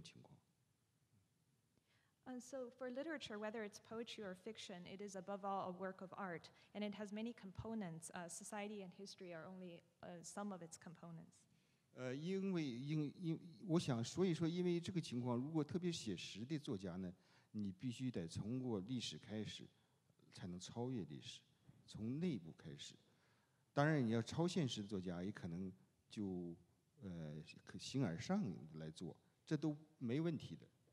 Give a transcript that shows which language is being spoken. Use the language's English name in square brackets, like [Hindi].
[Chinese] 那这艺术品里头有很多成分，政治、社会只是其中的一部分。当然，你要描写人物的话，这都是人民跟人物生活分不开的，你就不得写，是这种情况。And so [English] for literature, whether it's poetry or fiction, it is above all a work of art, and it has many components. Society and history are only some of its components. [Chinese] 因为我想，所以说，因为这个情况，如果特别写实的作家呢，你必须得从过历史开始，才能超越历史，从内部开始。当然，你要超现实的作家，也可能就形而上来做，这都没问题的。